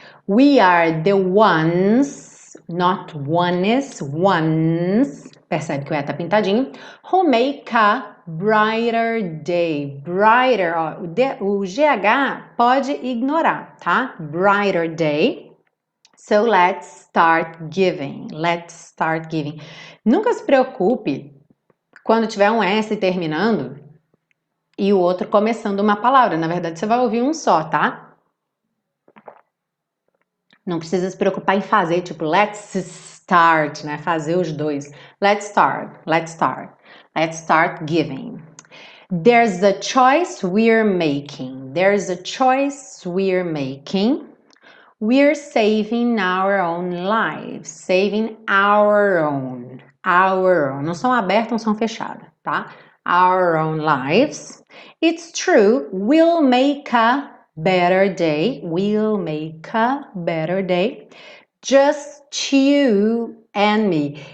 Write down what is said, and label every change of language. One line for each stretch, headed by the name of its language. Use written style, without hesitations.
English: We are the ones, not ones, ones.
Portuguese: Percebe que o E tá pintadinho.
English: Who make a brighter day.
Portuguese: Brighter, ó, o GH pode ignorar, tá?
English: Brighter day. So let's start giving. Let's start giving.
Portuguese: Nunca se preocupe quando tiver um S terminando e o outro começando uma palavra. Na verdade, você vai ouvir um só, tá? Não precisa se preocupar em fazer, tipo,
English: let's start,
Portuguese: né? Fazer os dois.
English: Let's start, let's start, let's start giving. There's a choice we're making. There's a choice we're making. We're saving our own lives. Saving our own.
Portuguese: Não são abertos, não são fechados, tá?
English: Our own lives. It's true. We'll make a better day. We'll make a better day. Just you and me.